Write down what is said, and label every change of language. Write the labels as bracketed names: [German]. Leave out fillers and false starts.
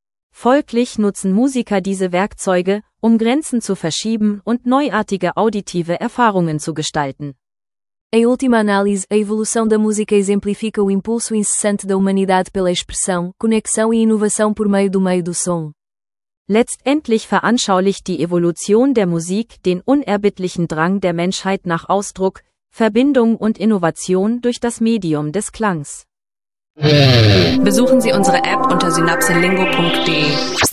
[German] Folglich nutzen Musiker diese Werkzeuge, um Grenzen zu verschieben und neuartige auditive Erfahrungen zu gestalten. [Portuguese] Em última análise, a evolução da música exemplifica o impulso incessante da humanidade pela expressão, conexão e inovação por meio do meio do som. [German] Letztendlich veranschaulicht die Evolution der Musik den unerbittlichen Drang der Menschheit nach Ausdruck, Verbindung und Innovation durch das Medium des Klangs. Besuchen Sie unsere App unter synapsenlingo.de.